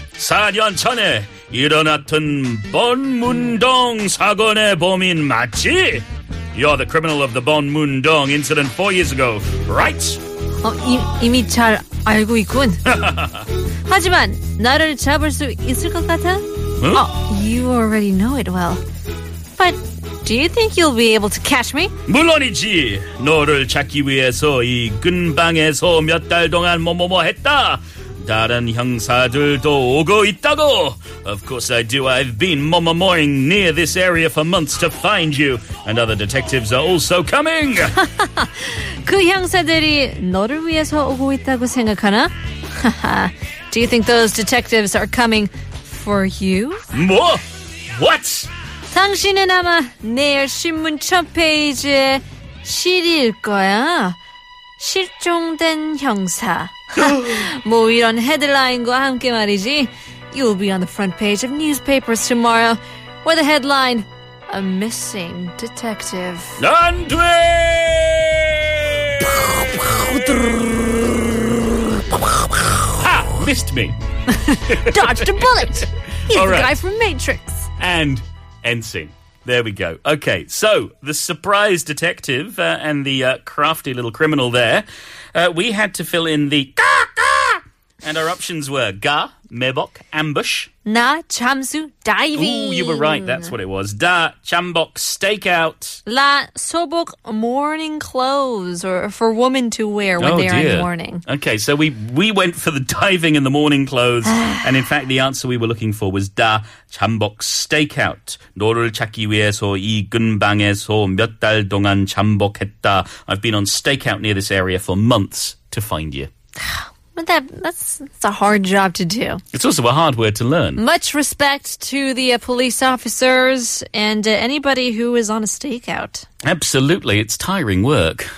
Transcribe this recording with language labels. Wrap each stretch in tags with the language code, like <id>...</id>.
<ko>4년 전에 일어났던 번문동 사건의 범인 맞지?</ko> <en>You're the criminal of the Bonmundong incident 4 years ago, right?</en> <ko>이미 잘 알고 있군. 하지만 나를 잡을 수 있을 것 같아?</ko> <en>Huh? Oh, you already know it well. But do you think you'll be able to catch me?</en> <ko>물론이지. 너를 찾기 위해서 이 근방에서 몇 달 동안 뭐뭐뭐 했다. 다른 형사들도 오고 있다고.</ko> <en>Of course I do. I've been mo-mo-moing near this area for months to find you. And other detectives are also coming.</en> <ko>그 형사들이 너를 위해서 오고 있다고 생각하나?</ko> <en>Do you think those detectives are coming for you?</en> <ko>뭐?</ko> <en>What?</en> <ko>당신은 아마 내일 신문 첫 페이지에 실일 거야. 실종된 형사. 뭐 이런 헤드라인과 함께 말이지.</ko> <en>You'll be on the front page of newspapers tomorrow with the headline, A Missing Detective.</en> <ko>안 돼!</ko> <en>하! Missed me. Dodged a bullet. He's All the right. guy from Matrix. And end scene. There we go. Okay, so the surprise detective and the crafty little criminal there, we had to fill in the ga, ga! And our options were ga, mebok, ambush. Na, chamsu, diving. Ooh, you were right. That's what it was. Da, chambok, stakeout. La, sobok, morning clothes or for women to wear when they are in mourning. Okay, so we went for the diving and the morning clothes. And in fact, the answer we were looking for was da, chambok, stakeout.</en> <ko>너를 찾기 위해서 이 근방에서 몇 달 동안 잠복했다.</ko> <en>I've been on stakeout near this area for months to find you. But that's a hard job to do. It's also a hard word to learn. Much respect to the police officers and anybody who is on a stakeout. Absolutely. It's tiring work.</en>